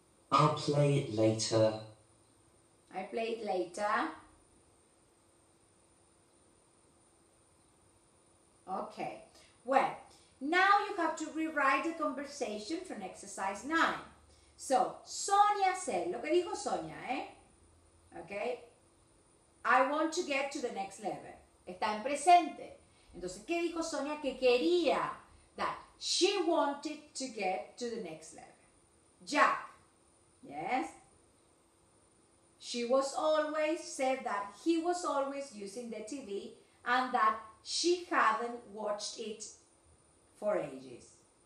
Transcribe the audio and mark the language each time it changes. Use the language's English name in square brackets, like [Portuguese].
[English] I'll play it later. I'll play it later. Okay. Well, now you have to rewrite the conversation from exercise 9. So, Sonia said, [Spanish] lo que dijo Sonia, ¿eh? Okay. [English] I want to get to the next level. [Spanish] Está en presente. Entonces, ¿qué dijo Sonia? Que quería. [English] That she wanted to get to the next level. Jack. Yes. She was always, said that he was always using the TV and that she hadn't watched it for ages.